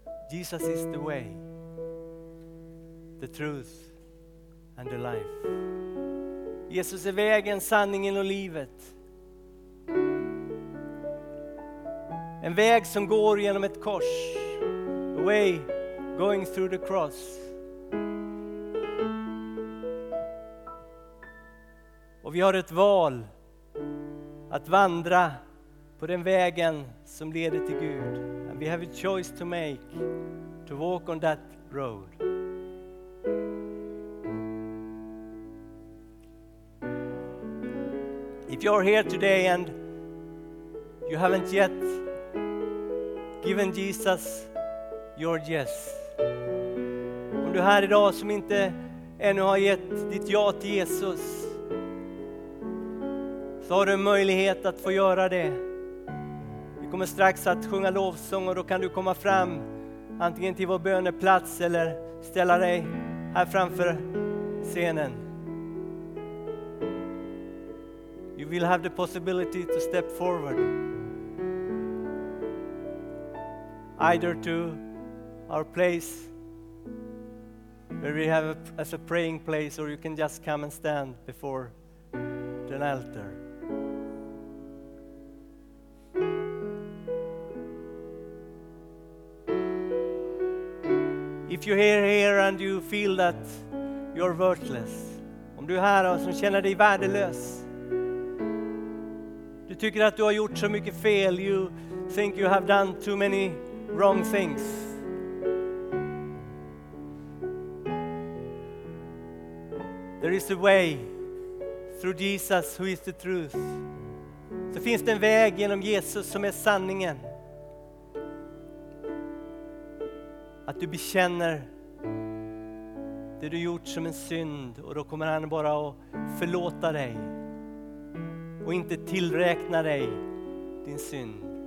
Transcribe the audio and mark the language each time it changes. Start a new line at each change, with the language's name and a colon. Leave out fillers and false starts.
English: Jesus is the way, the truth and the life.
Swedish: Jesus är vägen, sanningen och livet. En väg som går genom ett kors.
English: A way going through the cross.
Swedish: Och vi har ett val att vandra på den vägen som leder till Gud.
English: And we have a choice to make to walk on that road. If you're here today and you haven't yet given Jesus your yes.
Swedish: Om du är här idag som inte ännu har gett ditt ja till Jesus, så har du en möjlighet att få göra det. Vi kommer strax att sjunga lovsång och då kan du komma fram antingen till vår böneplats eller ställa dig här framför scenen.
English: You will have the possibility to step forward. Either to our place where we have as a praying place, or you can just come and stand before the altar. If you are here and you feel that you're worthless,
Swedish: om du är här och som känner dig värdelös, du tycker att du har gjort så mycket fel,
English: you think you have done too many wrong things. There is a way through Jesus who is the truth.
Swedish: Så finns det en väg genom Jesus som är sanningen. Att du bekänner det du gjort som en synd, och då kommer han bara att förlåta dig och inte tillräkna dig din synd.